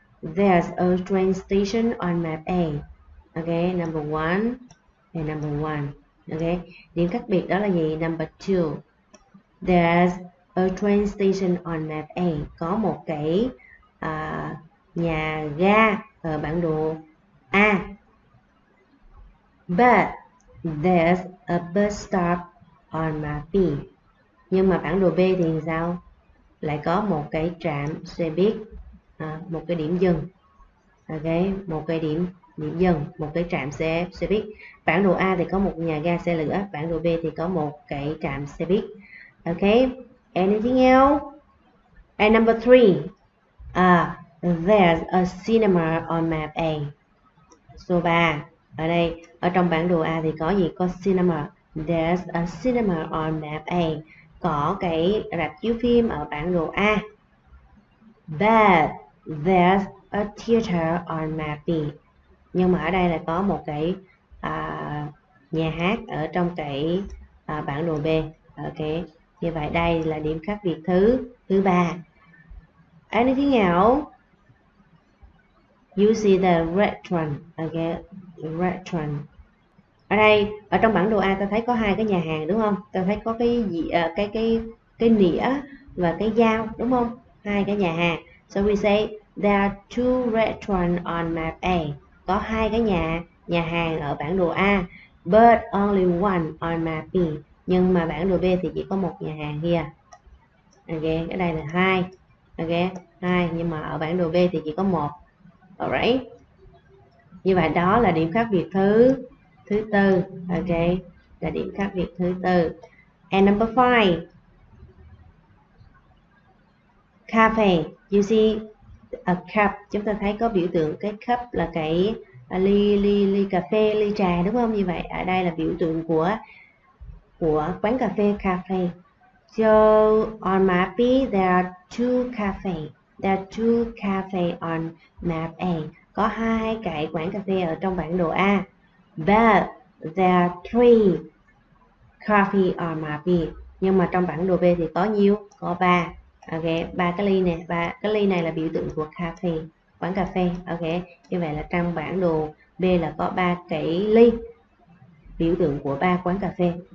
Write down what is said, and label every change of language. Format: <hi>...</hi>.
<en>There's a train station on map A. Ok, number one. And number one. Ok,</en> <vi>điểm khác biệt đó là gì?</vi> <en>Number two. There's a train station on map A.</en> <vi>Có một cái nhà ga ở bản đồ A.</vi> <en>But there's a bus stop on map B.</en> <vi>Nhưng mà bản đồ B thì sao? Lại có một cái trạm xe buýt, một cái điểm dừng. Ok, một cái điểm dừng, một cái trạm xe buýt. Bản đồ A thì có một nhà ga xe lửa, bản đồ B thì có một cái trạm xe buýt.</vi> <en>Ok, anything else? And number three, there's a cinema on map A.</en> <vi>Số 3, ở đây, ở trong bản đồ A thì có gì? Có cinema.</vi> <en>There's a cinema on map A.</en> <vi>Có cái rạp chiếu phim ở bản đồ A.</vi> <en>But there's a theater on map B.</en> <vi>Nhưng mà ở đây là có một cái nhà hát ở trong cái bản đồ B. Ok. Như vậy đây là điểm khác biệt thứ ba.</vi> <en>Anything else? You see the restaurant. Ok. Restaurant.</en> <vi>Ở đây, ở trong bản đồ A ta thấy có hai cái nhà hàng đúng không? Ta thấy có cái nĩa và cái dao đúng không? Hai cái nhà hàng.</vi> <en>So we say there are two restaurants on map A.</en> <vi>Có hai cái nhà hàng ở bản đồ A.</vi> <en>But only one on map B.</en> <vi>Nhưng mà bản đồ B thì chỉ có một nhà hàng kia. Ok, ở đây là hai. Ok, hai. Nhưng mà ở bản đồ B thì chỉ có một. Alright. Như vậy đó là điểm khác biệt thứ tư. Ok, là điểm khác biệt thứ tư.</vi> <en>And number five,</en> <vi>cafe.</vi> <en>You see a cup.</en> <vi>Chúng ta thấy có biểu tượng cái cup là cái ly cà phê, ly trà, đúng không? Như vậy ở đây là biểu tượng của quán cà phê, cafe.</vi> <en>So on map B, there are two cafe on map A.</en> <vi>Có hai cái quán cà phê ở trong bản đồ A.</vi> <en>But there are three coffee on map B.</en> <vi>Nhưng mà trong bản đồ B thì có nhiêu? Có ba. Ok, ba cái ly này, ba cái ly này là biểu tượng của cà phê, quán cà phê. Ok, như vậy là trong bản đồ B là có ba cái ly biểu tượng của ba quán cà phê.</vi>